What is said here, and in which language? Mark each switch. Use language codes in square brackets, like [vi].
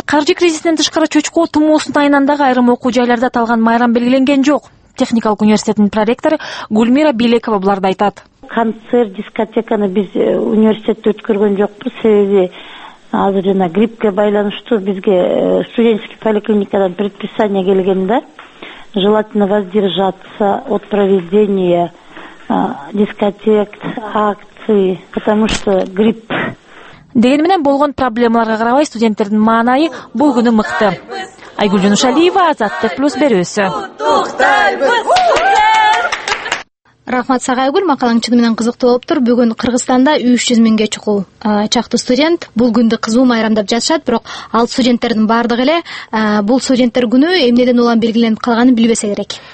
[ky] Каржы кризисинен тышкары чөчкөө тумоосунун айынандагы айрым окуу жайларда аталган майрам белгиленген жок. Техникалык университеттин проректору Гүлмира Бийлекова буларды айтат. Концерт, дискотеканы биз университетте өткөргөн жокпуз, себеби азыр жана гриппке байланыштуу бизге студенческий поликлиникадан предписание келген да. [ru] Желательно воздержаться от проведения дискотек, акций, потому что грипп. [ky] Деген менен болгон проблемаларга карабай студенттердин маанайы бул күнү мыкты. Айгүл Жунушалиева, Азаттык Плюс берүүсү. Рахмат сага Айгүл, макалаң чыны менен кызыктуу болуптур. Бүгүн Кыргызстанда 300 000 чукул чактуу студент бул күндү кызуу майрамдап жатышат, бирок ал студенттердин баардыгы эле бул студенттер күнү эмнеден улам белгиленип калганын билбесе керек.